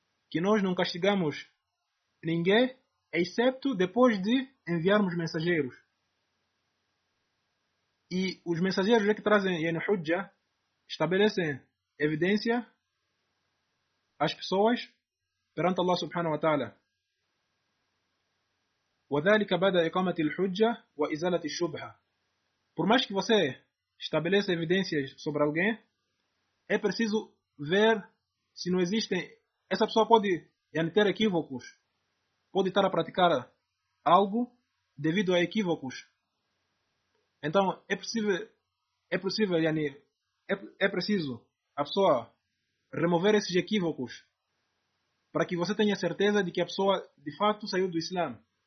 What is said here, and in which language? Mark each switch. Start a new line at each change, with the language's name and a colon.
Portuguese: Que nós não castigamos ninguém, excepto depois de enviarmos mensageiros. E os mensageiros é que trazem yani hujja, estabelecem evidência às pessoas perante Allah subhanahu wa ta'ala.
Arabic: وذلك بعد إقامة الحجة وإزالة الشبهة.
Portuguese: Por mais que você estabeleça evidências sobre alguém, é preciso ver se não existem. Essa pessoa pode ter equívocos, pode estar a praticar algo devido a equívocos. Então, é preciso a pessoa remover esses equívocos para que você tenha certeza de que a pessoa de fato saiu do Islã.